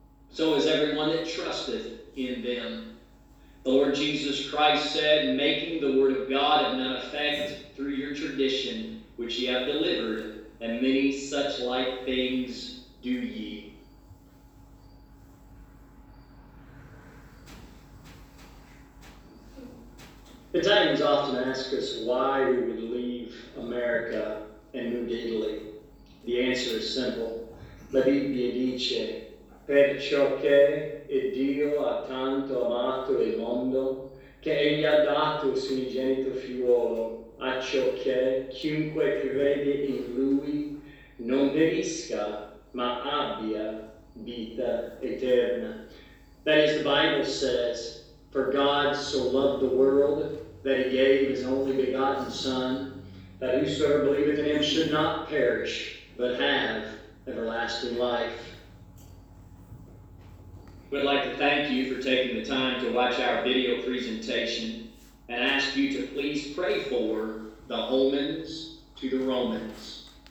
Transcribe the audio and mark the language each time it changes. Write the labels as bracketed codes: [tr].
[en] So is everyone that trusteth in them. The Lord Jesus Christ said, making the word of God of none effect through your tradition, which ye have delivered, and many such like things do ye. Italians often ask us why we would leave America and move to Italy. The answer is simple. [it] La Bibbia dice, perciò che il Dio ha tanto amato il mondo che egli ha dato il suo unigenito figliolo, a ciò che chiunque crede in lui non perisca ma abbia vita eterna. [en] That is, the Bible says, for God so loved the world that he gave his only begotten Son, that whosoever believeth in him should not perish, but have everlasting life. We'd like to thank you for taking the time to watch our video presentation and ask you to please pray for the Holmans to the Romans.